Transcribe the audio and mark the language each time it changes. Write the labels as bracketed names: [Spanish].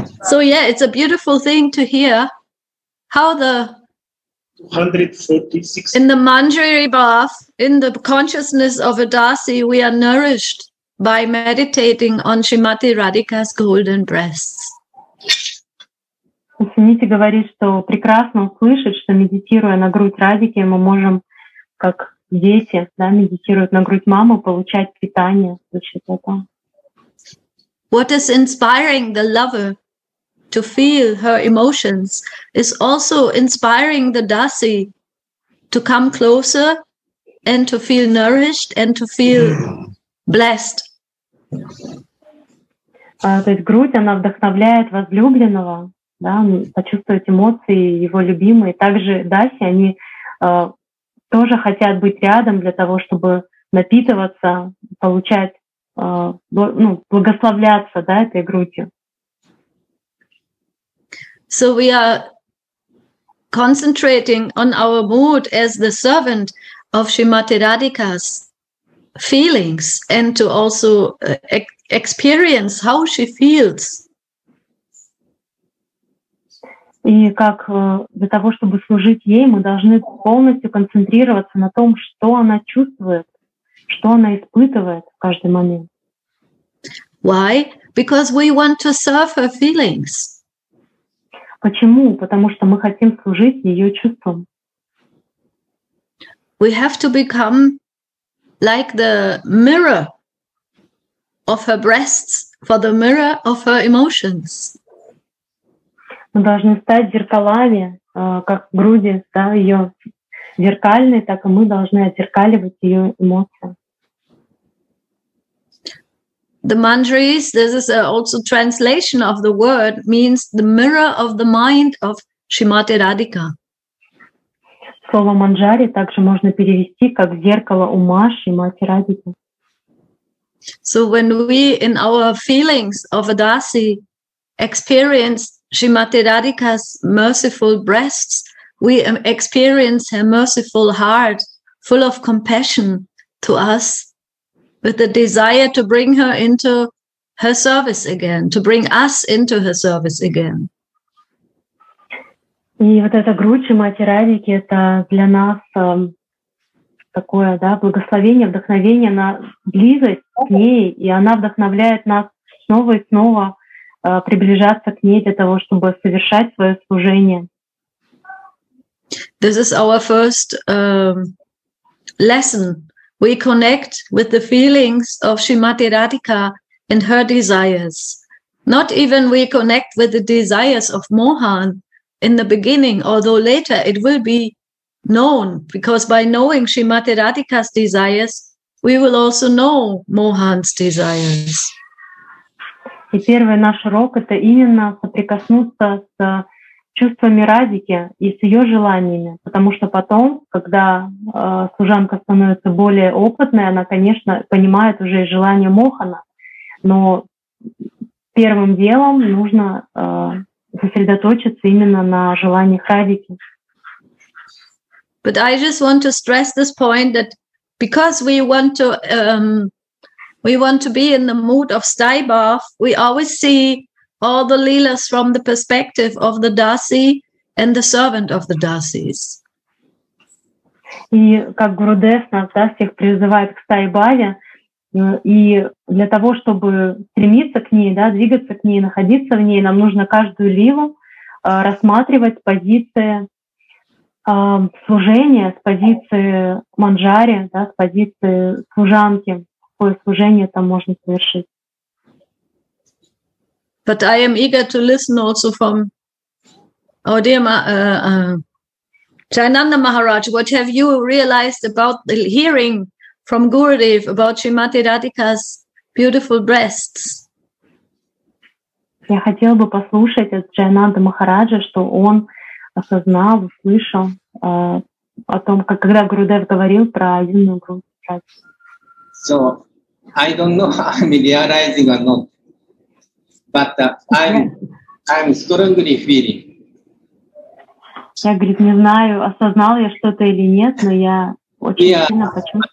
[English] So yeah, it's a beautiful thing to hear how the 236 in the Manjari bath, in the consciousness of a Dasi, we are nourished by meditating on Shrimati Radhika's golden breasts. [Russian] Сумите говорит, что прекрасно услышать, что медитируя на грудь Радики, мы можем, как дети, да, медитируют на грудь мамы, получать питание за счет этого. [English] What is inspiring the lover to feel her emotions is also inspiring the dasi to come closer and to feel nourished and to feel blessed. [Russian] То есть грудь, она вдохновляет возлюбленного, да, почувствовать эмоции его любимые. Также даси, они тоже хотят быть рядом для того, чтобы напитываться, получать благословляться, да, этой грудью. [English] So we are concentrating on our mood as the servant of Shrimati Radhika's feelings and to also experience how she feels. [Russian] И как для того, чтобы служить ей, мы должны полностью концентрироваться на том, что она чувствует, что она испытывает в каждый момент. [English] Why? Because we want to serve her feelings. [Russian] Почему? Потому что мы хотим служить ее чувствам. [English] We have to become like the mirror of her breasts for the mirror of her emotions. [Russian] Мы должны стать зеркалами, как груди, да, ее зеркальные, так и мы должны отзеркаливать ее эмоции. [English] The mandaris, this is also translation of the word, means the mirror of the mind of Shrimati Radhika. [Russian] Слово манджари также можно перевести как зеркало ума Шримати Радхики. [English] So when we in our feelings of a dasi experience Shrimati Radhika's merciful breasts, we experience her merciful heart full of compassion to us. With the desire to bring her into her service again, to bring us into her service again. [Russian] И вот эта грудь Шримати Радхики, это для нас такое, да, благословение, вдохновение на близость к ней, и она вдохновляет нас снова и снова приближаться к ней для того, чтобы совершать свое служение. [English] This is our first lesson. We connect with the feelings of Shrimati Radhika and her desires. Not even we connect with the desires of Mohan in the beginning, although later it will be known, because by knowing Shrimati Radhika's desires, we will also know Mohan's desires. [Russian] И первый наш урок — это именно соприкоснуться с чувствами Радики и с ее желаниями, потому что потом, когда служанка становится более опытной, она, конечно, понимает уже желания Мохана, но первым делом нужно сосредоточиться именно на желаниях Радики. [English] But I just want to stress this point that because we want to be in the mood of sty bath, we always see all the leelas from the perspective of the dasi and the servant of the dasis. [Russian] И как Гурудев нас, да, всех призывает к стайбале, и для того, чтобы стремиться к ней, да, двигаться к ней, находиться в ней, нам нужно каждую лилу рассматривать с позиции служения, с позиции манджари, да, с позиции служанки, какое служение там можно совершить. [English] But I am eager to listen also from Oh dear, Jayananda Maharaj, what have you realized about the hearing from Gurudev about Srimati Radhika's beautiful breasts? [Russian] Я хотел бы послушать от Джайананда Махараджа, что он осознал, услышал о том, как когда Гурудев говорил про юную грудь. [English] So, I don't know, I'm realizing or not, but I'm strongly feeling. [Russian] Я, говорит, не знаю, осознал я что-то или нет, но я очень сильно почувствовал.